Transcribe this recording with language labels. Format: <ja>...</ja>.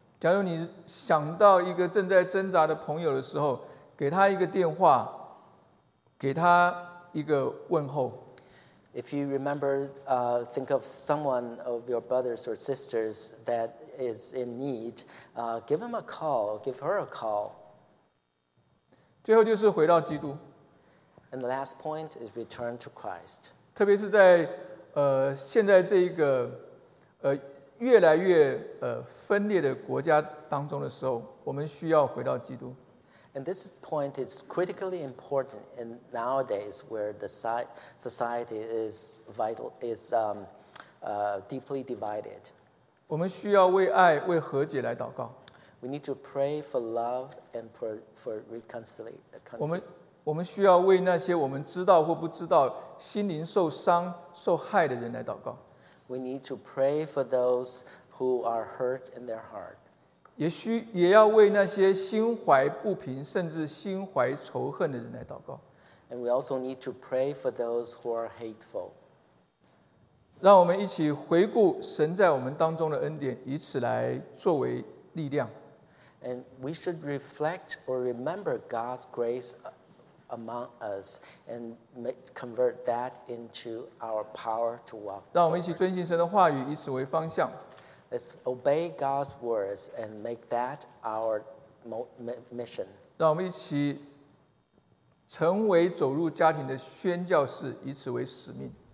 <zh>假如你想到一个正在挣扎的朋友的时候，给他一个电话，给他一个问候。</zh> <en>If you remember, think of someone of your brothers or sisters that is in need, give him a call, give her a call.</en> <zh>最后就是回到基督。</zh> <en>And the last point is return to Christ.</en> <zh>特别是在现在这一个越来越分裂的国家当中的时候，我们需要回到基督。</zh> <en>And this point is critically important in nowadays where the society is vital is deeply divided.</en> <zh>我们需要为爱、为和解来祷告。</zh> <en>We need to pray for love and for reconciliation.</en> <zh>我们需要为那些我们知道或不知道心灵受伤、受害的人来祷告。</zh> <en>We need to pray for those who are hurt in their heart.</en> <zh>也要为那些心怀不平甚至心怀仇恨的人来祷告。</zh> <en>And we also need to pray for those who are hateful.</en> <zh>让我们一起回顾神在我们当中的恩典，以此来作为力量。</zh> <en>And we should reflect or remember God's grace among us and convert that into our power to walk.</en> <zh>让我们一起遵行神的话语，以此为方向。</zh> <en>Let's obey God's words and make that our mission.</en> <zh>让我们一起成为走入家庭的宣教士，以此为使命。</zh>